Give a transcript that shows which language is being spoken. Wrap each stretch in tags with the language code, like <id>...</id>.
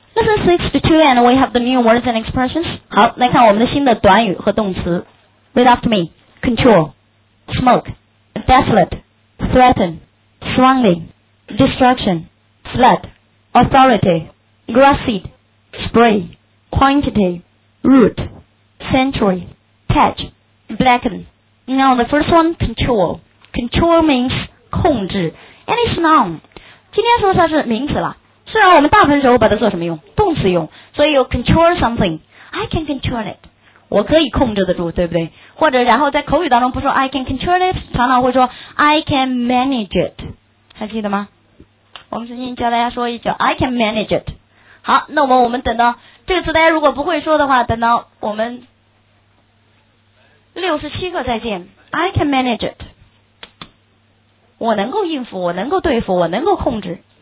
<en>This is 62 and we have the new words and expressions.</en> <zh>好，来看我们的新的短语和动词。</zh> <en>Read after me. Control. Smoke. Desolate. Threaten. Strongly. Destruction. Flood. Authority. Grass seed. Spray. Quantity. Root. Century. Patch. Blacken. Now the first one, control. Control means 控制 and it's noun.</en> <zh>今天说它是名词了。虽然我们大部分时候把它做什么用？动词用。</zh> <en>所以 you control something. I can control it.</en> <zh>我可以控制得住，对不对？或者然后在口语当中不说</zh> <en>I can control it,</en> <zh>常常会说</zh> <en>I can manage it.</en> <zh>还记得吗？我们曾经教大家说一句</zh> <en>I can manage it.</en> <zh>好，那我们等到这个词大家如果不会说的话，等到我们67课再见。</zh> <en>I can manage it.</en> <zh>我能够应付，我能够对付，我能够控制。</zh>